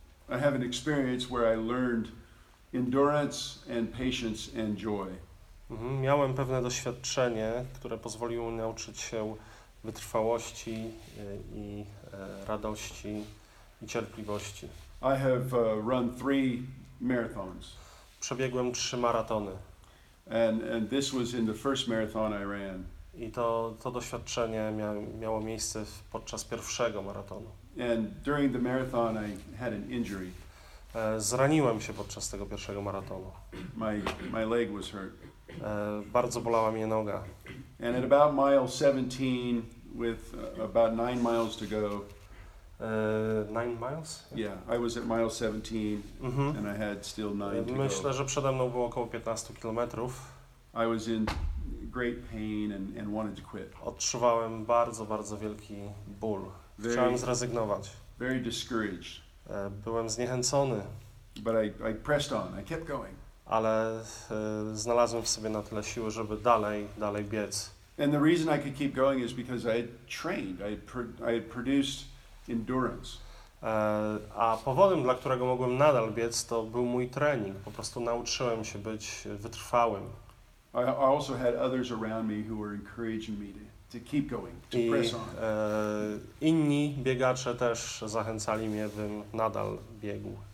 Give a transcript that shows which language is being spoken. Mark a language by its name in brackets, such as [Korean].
[English] I have an experience where I learned endurance and patience and joy. [Polish] Miałem pewne doświadczenie, które pozwoliło mi nauczyć się wytrwałości i radości i cierpliwości. [English] I have run 3 marathons. [Polish] Przebiegłem 3 maratony. [English] And this was in the first marathon I ran. [Polish] I to doświadczenie miało miejsce podczas pierwszego maratonu. [English] And during the marathon I had an injury. [Polish] Zraniłem się podczas tego pierwszego maratonu. [English] My leg was hurt. [Polish] Bardzo bolała mnie noga. [English] And at about mile 17 with about 9 miles to go. 9 miles? Yeah, I was at mile 17 and I had still 9 to go. [Polish] Myślę, że przede mną było około 15 kilometrów. [English] I was in great pain and wanted to quit. [Polish] Odczuwałem bardzo, bardzo wielki ból. Chciałem zrezygnować. [English] Very discouraged. [Polish] Byłem zniechęcony. [English] But I pressed on. I kept going. [Polish] Ale znalazłem w sobie na tyle siły, żeby dalej biec. [English] And the reason I could keep going is because I had trained. I had produced endurance. [Polish] A powodem, dla którego mogłem nadal biec, to był mój trening. Po prostu nauczyłem się być wytrwałym. [English] I also had others around me who were encouraging me to keep going, to press on. [Polish] Inni biegacze też zachęcali mnie, bym nadal biegł.